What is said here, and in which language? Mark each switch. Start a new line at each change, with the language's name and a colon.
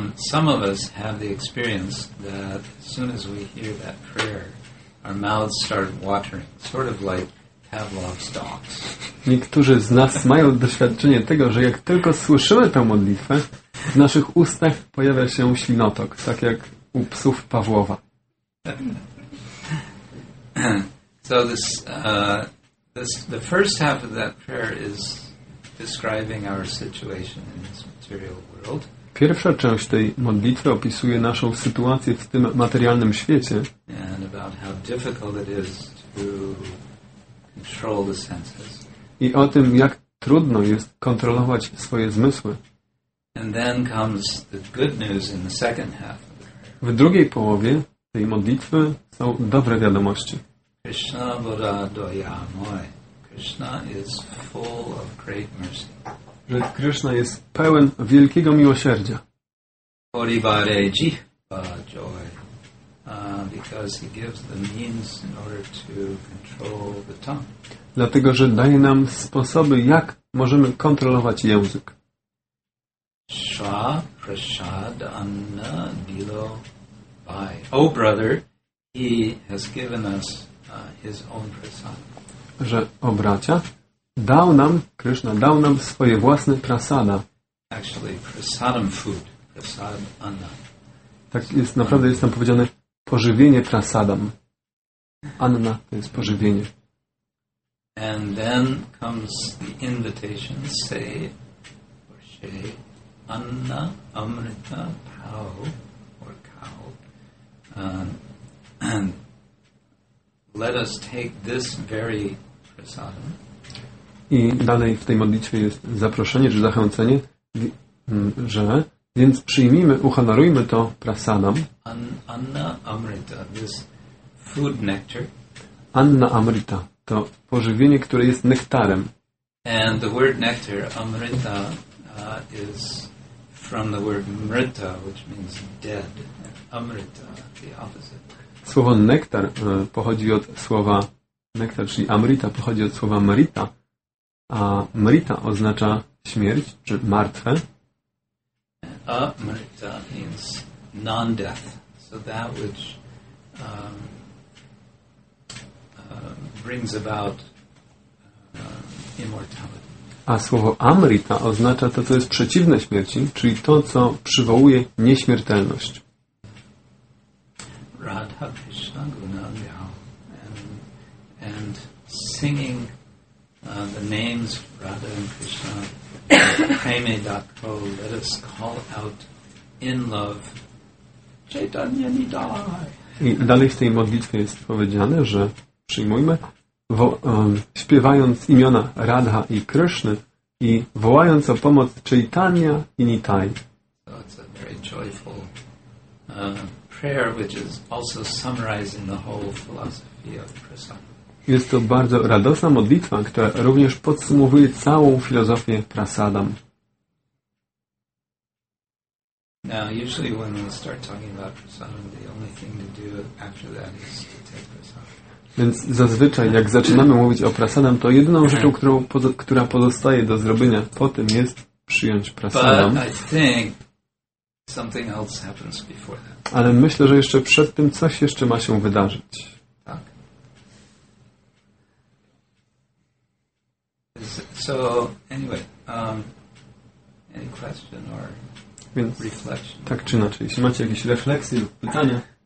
English: Some of us have the experience that as soon as we hear that prayer, our mouths start watering, sort of like Pavlov's dogs.
Polish: Niektórzy z nas mają doświadczenie tego, że jak tylko słyszymy tę modlitwę, w naszych ustach pojawia się ślinotok, tak jak u psów Pawłowa.
English: So this the first half of that prayer is describing our situation in this material world.
Polish: Pierwsza część tej modlitwy opisuje naszą sytuację w tym materialnym świecie.
English: And about how difficult it is to control the senses.
Polish: I o tym, jak trudno jest kontrolować swoje zmysły.
English: And then comes the good news in the second half of the prayer.
Polish: W drugiej połowie tej modlitwy są dobre wiadomości.
Bangla: Krishna Bodha Doya Moy.
English: Krishna is full of great mercy.
Polish: Że Krishna jest pełen wielkiego miłosierdzia.
Bangla: Horibare Jihva Joy.
English: Because he gives the means in order to control the tongue.
Polish: Dlatego, że daje nam sposoby, jak możemy kontrolować język.
Bangla: Sha prasad anna dilo bai.
English: Oh brother, he has given us his own prasad.
Polish: Że o bracia, dał nam, Krishna dał nam swoje własne prasada.
English: Actually, prasadam food, prasad anna.
Polish: Tak jest, naprawdę jest tam powiedziane pożywienie prasadam. Anna to jest pożywienie.
English: And then comes the invitation, say, or say,
Bangla: Anna Amrita Pau, or Kau.
English: And let us take this very prasadam.
Polish: I dalej w tej modlitwie jest zaproszenie, czy zachęcenie, że więc przyjmijmy, uhonorujmy to prasadam.
English: Anna Amrita, this food nectar.
Bangla: Anna Amrita.
Polish: To pożywienie, które jest nektarem.
English: And the word nectar, amrita, is from the word mrita, which means dead. Amrita, the opposite.
Polish: Słowo nektar pochodzi od słowa nektar, czyli amrita pochodzi od słowa mrita, a mrita oznacza śmierć, czy martwe.
English: Amrita means non-death. So that which brings about immortality.
Polish: A słowo amrita oznacza to, co jest przeciwne śmierci, czyli to, co przywołuje nieśmiertelność.
Bangla: Radha Krishna Guna Gyao
English: and singing the names Radha and Krishna
Bangla: Preme Dako,
English: let us call out in love Chaitanya Nidai.
Polish: I dalej w tej modlitwie jest powiedziane, że przyjmujmy, śpiewając imiona Radha i Kryszny i wołając o pomoc Chaitanya i Nitai.
English: So it's a very joyful prayer, which is also summarizing the whole philosophy of prasadam.
Polish: Jest to bardzo radosna modlitwa, która również podsumowuje całą filozofię prasadam.
English: Now, usually when we start talking about prasadam, the only thing to do after that is to take prasadam.
Polish: Więc zazwyczaj, jak zaczynamy mówić o prasadam, to jedyną rzeczą, która pozostaje do zrobienia po tym, jest przyjąć prasadam.
English: But I think something else happens before that.
Polish: Ale myślę, że jeszcze przed tym coś jeszcze ma się wydarzyć. Tak.
English: So, anyway, any question or...
Polish: Więc tak czy inaczej, jeśli macie jakieś refleksje lub pytania.